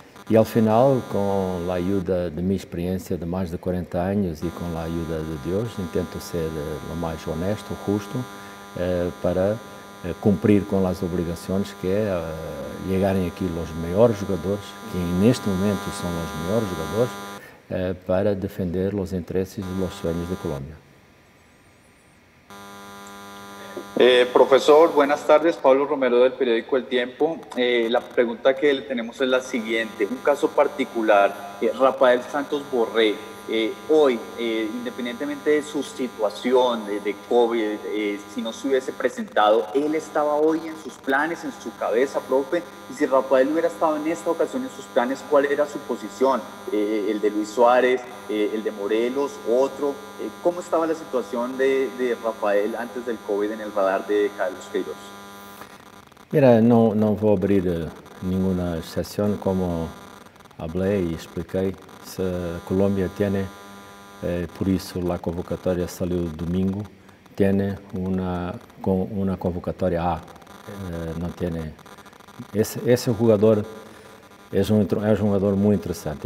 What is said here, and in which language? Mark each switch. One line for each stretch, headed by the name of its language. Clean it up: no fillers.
Portuguese: E ao final, com a ajuda de minha experiência de mais de 40 anos e com a ajuda de Deus, intento ser o mais honesto, justo, para cumprir com as obrigações, que é chegarem aqui os melhores jogadores, que neste momento são os melhores jogadores, para defender os interesses e os sonhos da Colômbia.
Spanish: Profesor, buenas tardes. Pablo Romero del periódico El Tiempo. La pregunta que le tenemos es la siguiente. Un caso particular, Rafael Santos Borré, hoy, independientemente de su situación de COVID, si no se hubiese presentado, ¿él estaba hoy en sus planes, en su cabeza, profe? Y si Rafael hubiera estado en esta ocasión en sus planes, ¿cuál era su posición? ¿El de Luis Suárez, el de Morelos, otro? ¿Cómo estaba la situación de Rafael antes del COVID en el radar de Carlos Queiroz? Mira, no voy a abrir ninguna excepción, como hablé y expliqué.
Portuguese: Colômbia tem, por isso a convocatória saiu domingo, tem uma convocatória A, não tem. Esse jogador é um jogador muito interessante.